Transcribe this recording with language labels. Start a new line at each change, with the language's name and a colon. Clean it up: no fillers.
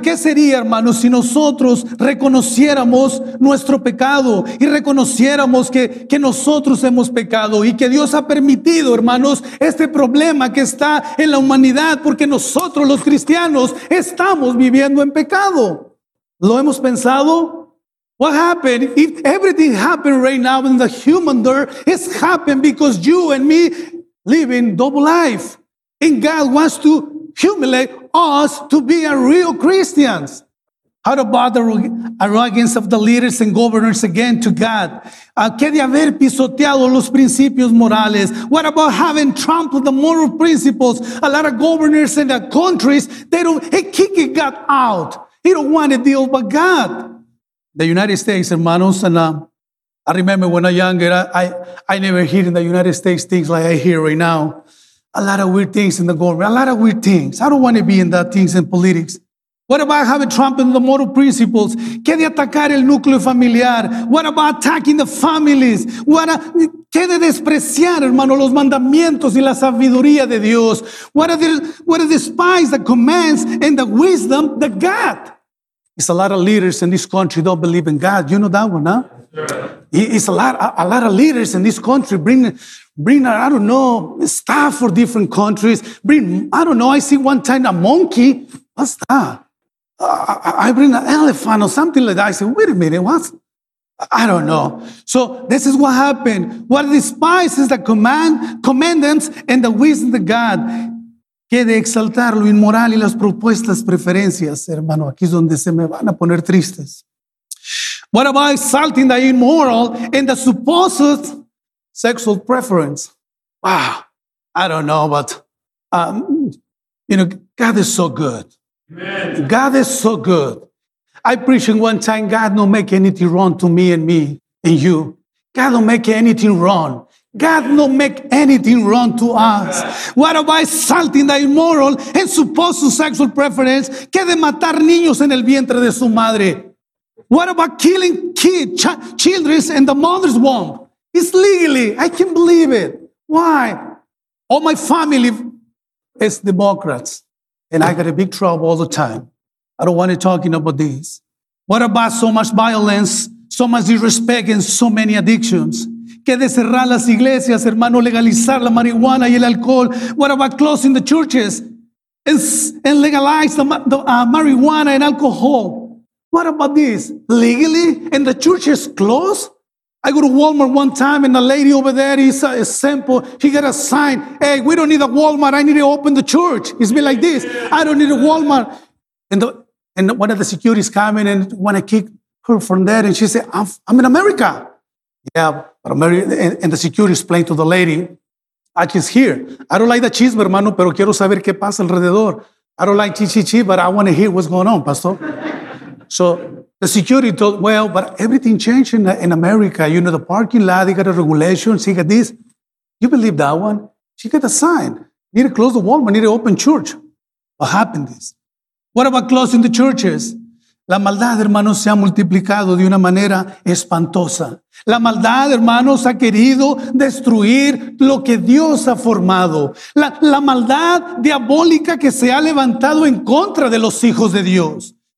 Spanish: ¿Qué sería, hermanos, si nosotros reconociéramos nuestro pecado y reconociéramos que nosotros hemos pecado y que Dios ha permitido, hermanos, este problema que está en la humanidad porque nosotros los cristianos estamos viviendo en pecado? ¿Lo hemos pensado?
English: What happened? If everything happened right now in the human earth, it's happened because you and me living double life. And God wants to humiliate us to be a real Christians. How about the arrogance of the leaders and governors again to God?
Spanish: ¿Qué de haber pisoteado los principios morales?
English: What about having trampled the moral principles? A lot of governors in the countries, they kick God out. He don't want to deal with God. The United States, hermanos, and I remember when I was younger, I never hear in the United States things like I hear right now. A lot of weird things in the government. A lot of weird things. I don't want to be in that things in politics. What about having Trump in the moral principles?
Spanish: ¿Qué de atacar el núcleo familiar?
English: What about attacking the families?
Spanish: ¿Qué de despreciar, hermano, los mandamientos y la sabiduría de Dios?
English: What to despise the commands and the wisdom that God? It's a lot of leaders in this country don't believe in God. You know that one, huh? Yeah. It's a lot of leaders in this country bring, I don't know, staff for different countries. Bring, I don't know, I see one time a monkey. What's that? I bring an elephant or something like that. I say, wait a minute, what? I don't know. So this is what happened. What despises the commandments and the wisdom of God.
Spanish: Que de exaltar lo inmoral y las propuestas preferencias, hermano. Aquí es donde se me van a poner tristes.
English: What about exalting the immoral and the supposed sexual preference? Wow, I don't know, but, you know, God is so good. Amen. God is so good. I preached one time, God don't make anything wrong to me and you. God don't make anything wrong. God don't make anything wrong to us. What about insulting the immoral and supposed sexual preference?
Spanish: ¿Qué de matar niños en el vientre de su madre?
English: What about killing kids, children in the mother's womb? It's legally. I can't believe it. Why? All my family is Democrats. And I got a big trouble all the time. I don't want to talk about this. What about so much violence, so much disrespect, and so many addictions?
Spanish: ¿Qué de cerrar las iglesias, hermano, legalizar la marihuana y el alcohol?
English: What about closing the churches and legalize the marijuana and alcohol? What about this? Legally? And the churches closed? I go to Walmart one time and a lady over there is a sample. He got a sign. Hey, we don't need a Walmart. I need to open the church. It's been like this. I don't need a Walmart. And one of the securities coming and want to kick her from there. And she said, I'm in America. Yeah, but America, and the security explained to the lady, I just hear. I don't like the chisme, hermano,
Spanish: pero quiero saber qué pasa alrededor.
English: I don't like chi-chi-chi, but I want to hear what's going on, pastor. So the security told, well, but everything changed in America. You know, the parking lot, they got a regulation. She got this. You believe that one? She got a sign. Need to close the Walmart, need to open church. What happened this? What about closing the churches?
Spanish: La maldad, hermanos, se ha multiplicado de una manera espantosa. La maldad, hermanos, ha querido destruir lo que Dios ha formado. La maldad diabólica que se ha levantado en contra de los hijos de Dios.